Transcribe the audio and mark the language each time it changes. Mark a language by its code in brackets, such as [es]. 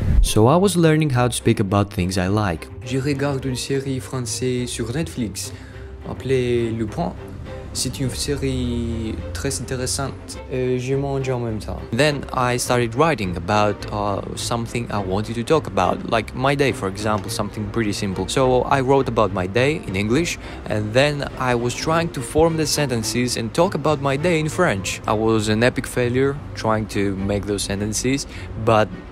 [en] So I was learning how to speak about things I like. [fr] Je regarde une série française sur Netflix, appelée Lupin. C'est une série très intéressante. Je mange en même temps. [en] Then I started writing about something I wanted to talk about, like my day, for example, something pretty simple. So I wrote about my day in English, and then I was trying to form the sentences and talk about my day in French. I was an epic failure trying to make those sentences, but